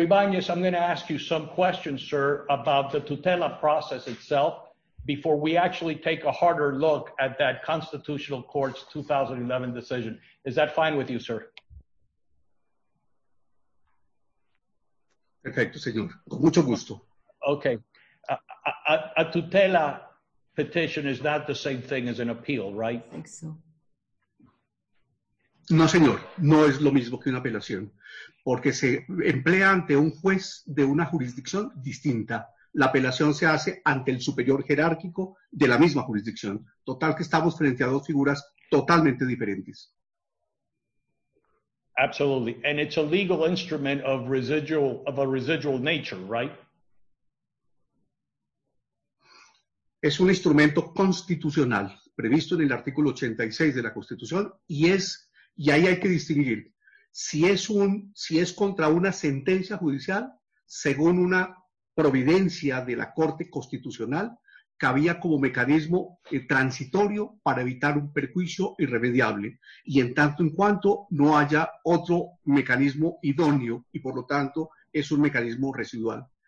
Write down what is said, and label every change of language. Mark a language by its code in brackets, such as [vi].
[en] Ibanez, I'm going to ask you some questions, sir, about the tutela process itself before we actually take a harder look at that Constitutional Court's 2011 decision. Is that fine with you, sir? [es] Perfecto, señor. Con mucho gusto. [en] Okay. A tutela petition is not the same thing as an appeal, right? I think so. [es] No, señor. No es lo mismo que una apelación, porque se emplea ante un juez de una jurisdicción distinta. La apelación se hace ante el superior jerárquico de la misma jurisdicción. Total que estamos frente a dos figuras totalmente diferentes. [en] Absolutely. And it's a legal instrument of a residual nature, right? [es] Es un instrumento constitucional previsto en el artículo 86 de la Constitución y ahí hay que distinguir si es contra una sentencia judicial, según una providencia de la Corte Constitucional, cabía como mecanismo transitorio para evitar un perjuicio irremediable y en tanto en cuanto no haya otro mecanismo idóneo y por lo tanto es un mecanismo residual.